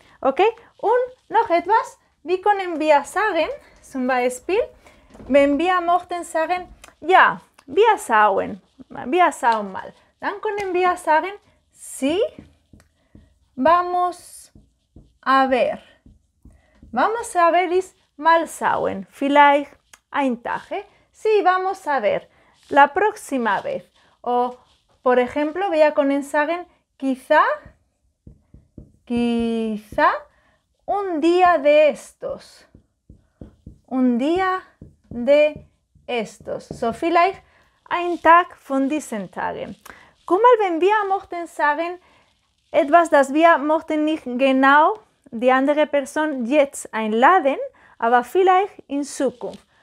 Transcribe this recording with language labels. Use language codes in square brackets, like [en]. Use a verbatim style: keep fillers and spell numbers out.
[de] Okay, und noch etwas. Wie können wir sagen, zum Beispiel, wenn wir möchten sagen, ja, wir schauen, wir schauen mal. Dann können wir sagen, [es] sí, vamos a ver. Vamos a ver [de] ist mal schauen, vielleicht ein Tag. Eh? [es] Sí, vamos a ver, la próxima vez. O, por ejemplo, [de] wir können sagen, [es] quizá, quizá, un día de estos. Un día de estos. [de] So vielleicht ein Tag von diesen Tagen. Guck mal, wenn wir möchten sagen, etwas, das wir möchten nicht genau die andere Person jetzt einladen, aber vielleicht in Zukunft.